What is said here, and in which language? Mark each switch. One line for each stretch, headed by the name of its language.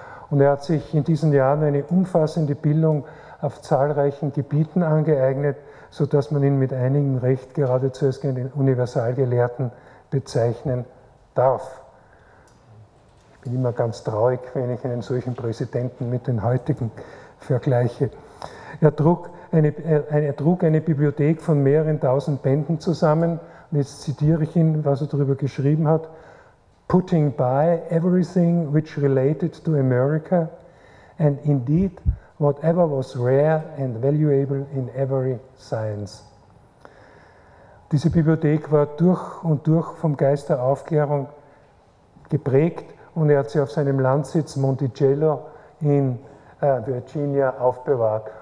German: Und er hat sich in diesen Jahren eine umfassende Bildung auf zahlreichen Gebieten angeeignet, sodass man ihn mit einigem Recht geradezu als einen Universalgelehrten bezeichnen darf. Ich bin immer ganz traurig, wenn ich einen solchen Präsidenten mit den heutigen vergleiche. Er trug eine Bibliothek von mehreren tausend Bänden zusammen. Und jetzt zitiere ich ihn, was er darüber geschrieben hat.
English: Putting by everything which related to America and indeed whatever was rare and valuable in every science.
German: Diese Bibliothek war durch und durch vom Geist der Aufklärung geprägt. Und er hat sie auf seinem Landsitz Monticello in Virginia aufbewahrt.